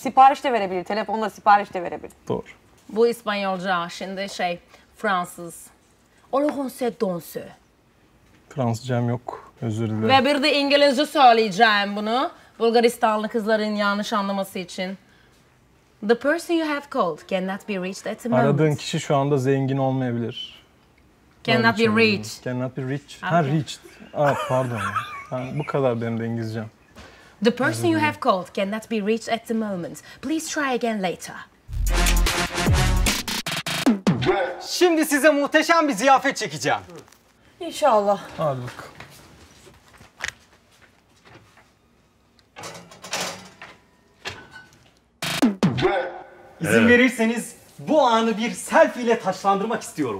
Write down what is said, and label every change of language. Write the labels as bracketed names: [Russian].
[Turkish] Sipariş de verebilir. Telefonla sipariş de verebilir. Doğru. Bu İspanyolca şimdi Fransız. Olohun se donse. Fransızcam yok. Özür dilerim. Ve bir de İngilizce söyleyeceğim bunu. Bulgaristanlı kızların yanlış anlaması için. [English] The person you have called cannot be reached at the moment. [Turkish] Aradığın kişi şu anda zengin olmayabilir. [English] Cannot be reached. Cannot be reached. Okay. Ha reached. Pardon. [Turkish] Bu kadar benim de İngilizcem. [English] The person you have called cannot be reached at the moment. Please try again later. [Turkish] Şimdi size muhteşem bir ziyafet çekeceğim. İnşallah. Hadi bak. İzin verirseniz bu anı bir selfie ile taçlandırmak istiyorum.